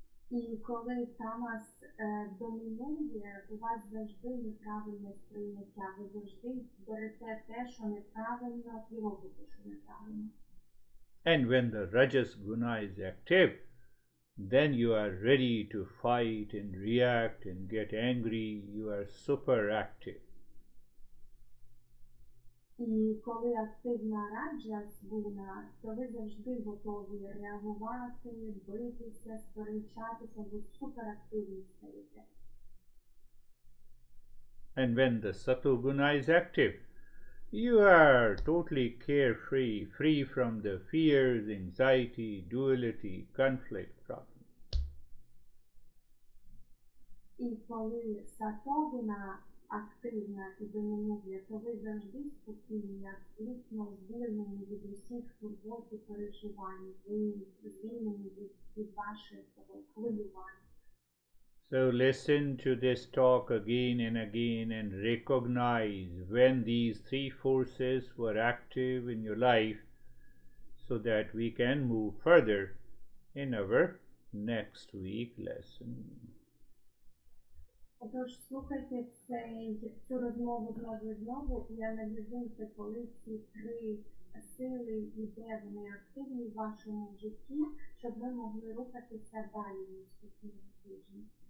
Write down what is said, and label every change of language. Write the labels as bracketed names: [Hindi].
[Ukrainian] І коли тамас домінує, у вас завжди неправильне сприйняття. Ви завжди берете те, що неправильно, і робите, що неправильно. [English] And when the rajas guna is active, then you are ready to fight and react and get angry. You are super active. [Ukrainian] І коли активна раджас гуна, то ви завжди готові реагувати, битися, сперечатися, ви суперактивні стаєте. [English] And when the сату гуна is active, you are totally carefree, free from the fears, anxiety, duality, conflict, problems. [Ukrainian] І коли сату гуна активна і домінує, то ви завжди спокійні, абсолютно звільнені від усіх турбот і переживань, ви звільнені від вашого хвилювання. [English] So listen to this talk again and recognize when these three forces were active in your life so that we can move further in our next week lesson. [Ukrainian] Отож, слухайте цю розмову знову і знову, і аналізуйте, коли ці три сили і де вони активні в вашому житті, щоб ви могли рухатися далі на наступному тижні.